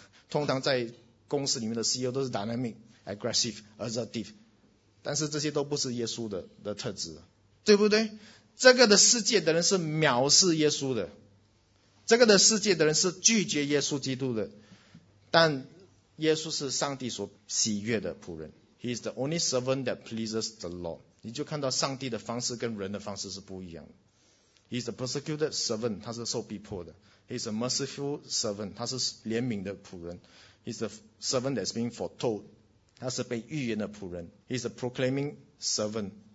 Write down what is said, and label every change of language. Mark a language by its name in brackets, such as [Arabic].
[Chinese] 通常在公司里面的 CEO 都是 [English] dynamic, aggressive, assertive, [Chinese] 但是这些都不是耶稣 的特质，对不对？这个的世界的人是藐视耶稣的，这个的世界的人是拒绝耶稣基督的，但耶稣是上帝所喜悦的仆人。 [English] He is the only servant that pleases the Lord. [Chinese] 你就看到上帝的方式跟人的方式是不一样的。 [English] He is the persecuted servant, [Chinese] 他是受逼迫的。 [English] He is a merciful servant, [Chinese] 他是怜悯的仆人。 [English] He's the servant that's being foretold. [Chinese] 他是被预言的仆人。 [English] He's the proclaiming servant.